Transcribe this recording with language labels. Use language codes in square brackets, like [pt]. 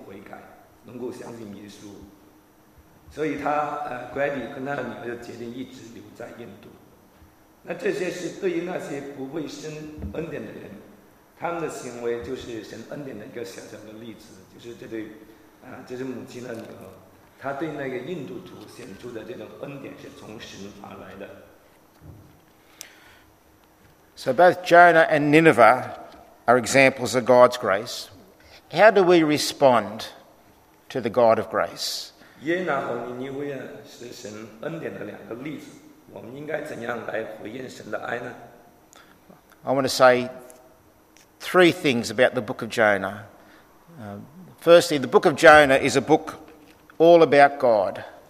[zh] 弟兄都去世了，只剩下他们。但是他们选择了饶恕。实际上后来，Grady他说，他常常会想到为什么他的先生会被杀。不过他从来没有想过说要报复那些杀他们先生的儿子的人，而是心里一直期待着这些人能够悔改，能够相信耶稣。所以他，Grady跟他的女儿就决定一直留在印度。那这些是对于那些不会神恩典的人，他们的行为就是神恩典的一个小小的例子，就是这对，这是母亲的女儿，她对那个印度徒显出的这种恩典是从神而来的。 [en] So both Jonah and Nineveh are examples of God's grace. How do we respond to the God of grace? [zh] 耶拿和尼尼微是神恩典的两个例子，我们应该怎样来回应神的爱呢？ [en] I want to say three things about the book of Jonah. Firstly, the book of Jonah is a book all about God.